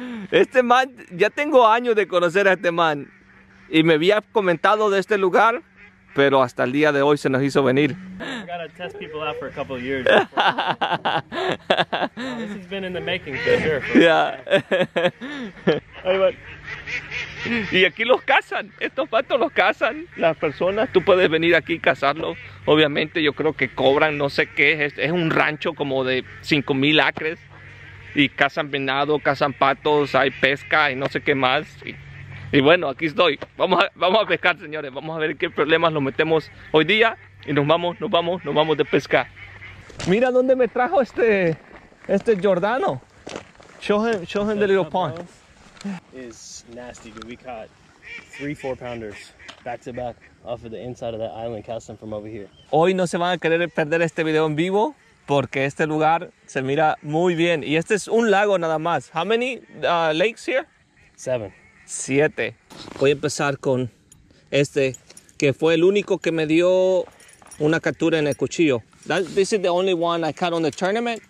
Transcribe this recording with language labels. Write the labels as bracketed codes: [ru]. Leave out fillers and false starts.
[es] Este man, ya tengo años de conocer a este man. Y me había comentado de este lugar, pero hasta el día de hoy se nos hizo venir. [en] Gotta test people out for a couple of years. Well, this has been in the making for sure. [es] Yeah. Ahí va. Y aquí los cazan. Estos patos los cazan las personas. Tú puedes venir aquí y cazarlos. Obviamente, yo creo que cobran no sé qué es. Es un rancho como de 5000 acres. Y cazan venado, cazan patos, hay pesca y no sé qué más. Y bueno, aquí estoy. Vamos a pescar, señores. Vamos a ver qué problemas nos metemos hoy día. Y nos vamos de pesca. Mira dónde me trajo este Jordano. [en] Show him the little pond. Is nasty, dude. We caught 3-4 pounders back to back off of the inside of that island, casting from over here. [es] Hoy no se van a querer perder este video en vivo porque este lugar se mira muy bien. Y este es un lago nada más. [en] How many lakes here? 7. 7. [es] Voy a empezar con este, que fue el único que me dio una captura en el cuchillo. [en] This is the only one I caught on the tournament.